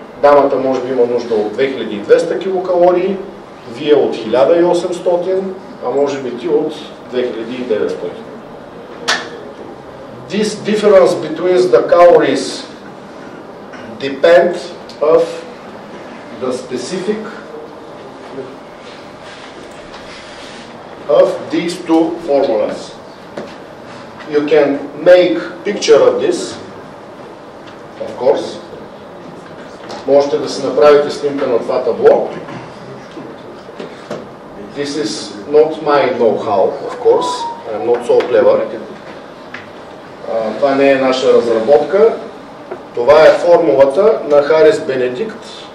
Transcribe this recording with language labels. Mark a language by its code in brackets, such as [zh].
[bg] дамата може би има нужда от 2200 килокалории, вие от 1800, а може би ти от 2900. [en] This difference between the calories depend of the specific of these two formulas. You can make picture of this, of course. [bg] Можете да си направите снимка на това табло. [en] This is not my know-how, of course. I'm not so clever. [bg] Това не е наша разработка. Това е формулата на Харис Бенедикт.